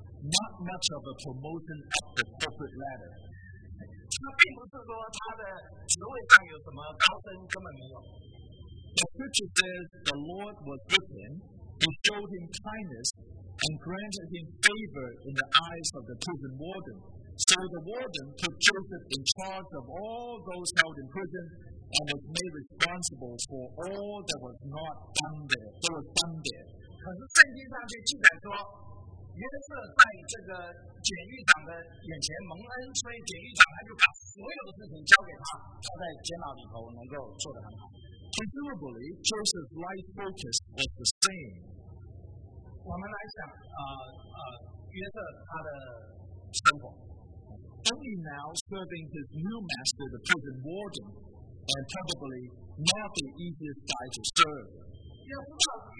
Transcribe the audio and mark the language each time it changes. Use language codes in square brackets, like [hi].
[en] Not much of a promotion up the corporate ladder. The scripture says the Lord was with him, he showed him kindness, and granted him favor in the eyes of the prison warden, So the warden put Joseph in charge of all those held in prison and was made responsible for all that was not done there. So it was done there. [zh] 可是圣经上就记载说，约瑟在这个监狱长的眼前蒙恩，所以监狱长他就把所有的事情交给他，他在监牢里头能够做得很好。 [en] Presumably, Joseph's life focus was the same. [zh] 我们来想，约瑟他的生活。 [en] Only now serving his new master, the prison warden, and probably not the easiest guy to serve.